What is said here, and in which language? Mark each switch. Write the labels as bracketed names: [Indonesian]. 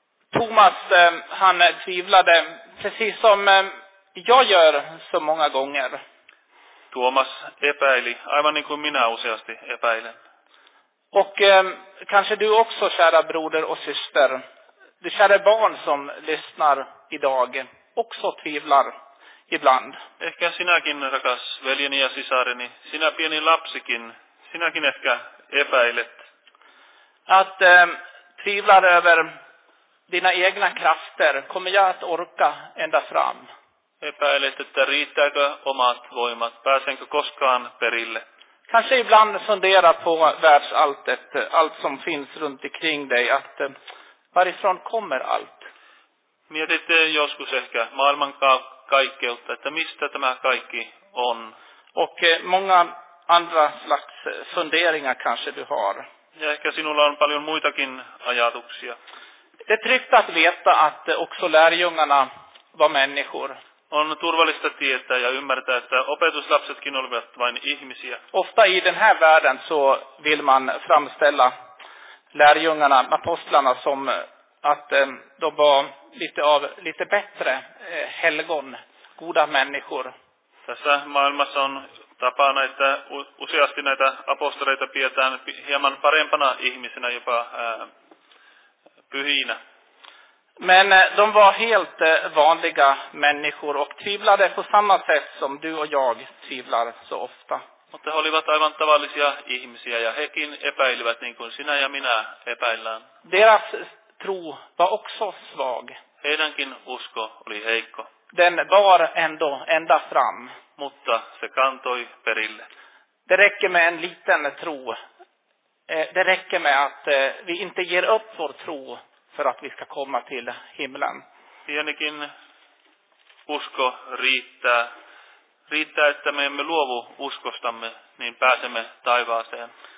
[Swedish] Thomas, han tvivlade precis som jag gör så många gånger. [Finnish] Tuomas epäili, aivan niin kuin minä useasti epäilen. [Swedish] Och kanske du också, kära broder och syster, det kära barn som lyssnar idag, också tvivlar ibland. [Finnish] Ehkä sinäkin, rakas veljeni ja sisareni, sinä pieni lapsikin, sinäkin ehkä epäilet. [Swedish] Att tvivlar över dina egna krafter, kommer jag att orka ända fram? [Finnish] Epäilet, että riittääkö omat voimat, pääsenkö koskaan perille? [Swedish] Kanske ibland fundera på världsalltet, allt som finns runt omkring dig, att varifrån kommer allt? [Finnish] Mietit joskus ehkä maailman kaikkeutta, että mistä tämä kaikki on. [Swedish] Och många andra slags funderingar kanske du har. [Finnish] Ja ehkä sinulla on paljon muitakin ajatuksia. [Swedish] Det är tryggt att veta att också lärjungarna var människor. [Finnish] On turvallista tietää ja ymmärtää, että opetuslapsetkin olivat vain ihmisiä. [Swedish] Ofta i den här världen så vill man framställa lärjungarna, apostlarna, som att de var lite bättre helgon, goda människor. [Finnish] Tässä maailmassa on tapana, että useasti näitä apostoleita pidetään hieman parempana ihmisenä, jopa pyhinä. [Swedish] Men de var helt vanliga människor och tvivlade på samma sätt som du och jag tvivlar så ofta. Och de [Finnish] olivat aivan tavallisia ihmisiä ja hekin epäilivät niin kuin sinä ja minä epäillään. [Swedish] Deras tro var också svag. [Finnish] Heidänkin usko oli heikko. [Swedish] Den bar ändå ända fram. [Finnish] Mutta se kantoi perille. [Swedish] Det räcker med en liten tro. Det räcker med att vi inte ger upp vår tro. För att vi ska komma till himlen. [Finnish] Pienikin usko riittää. Riittää, että me emme luovu uskostamme, niin pääsemme taivaaseen.